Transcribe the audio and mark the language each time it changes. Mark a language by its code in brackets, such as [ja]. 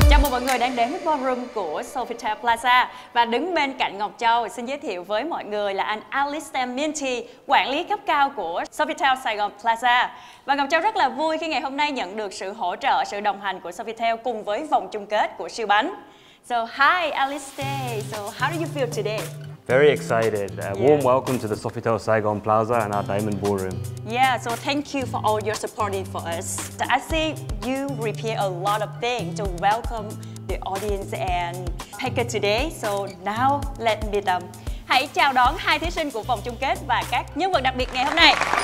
[vi] Mọi người đang đến với ballroom của Sofitel Plaza và đứng bên cạnh Ngọc Châu xin giới thiệu với mọi người là anh Alistair Minty, quản lý cấp cao của Sofitel Sài Gòn Plaza. Và Ngọc Châu rất là vui khi ngày hôm nay nhận được sự hỗ trợ, sự đồng hành của Sofitel cùng với vòng chung kết của siêu bánh. [en] So hi Alistair, so how do you feel today? Very excited. Warm welcome to the Sofitel Saigon Plaza and our Diamond Ballroom. Yeah, so thank you for all your supporting for us. I see you repeat a lot of things to welcome the audience and Packer today. So now let me meet them. [vi] Hãy chào đón hai thí sinh của vòng chung kết và các nhân vật đặc biệt ngày hôm nay.